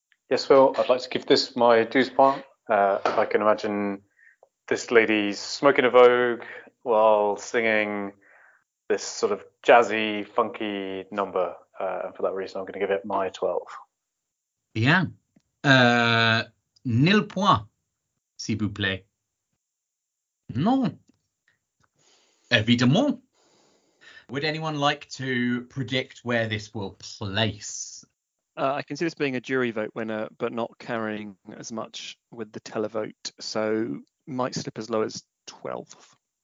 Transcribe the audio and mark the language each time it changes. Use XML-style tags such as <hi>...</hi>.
<en>Yes, Phil, I'd like to give this my 12 points. I can imagine this lady smoking a Vogue while singing this sort of jazzy, funky number. For that reason, I'm going to give it my 12.</en> <fr>Bien. Nil point, s'il vous plaît. Non. Évidemment.</fr> <en>Would anyone like to predict where this will place? I can see this being a jury vote winner, but not carrying as much with the televote. So might slip as low as 12th.</en>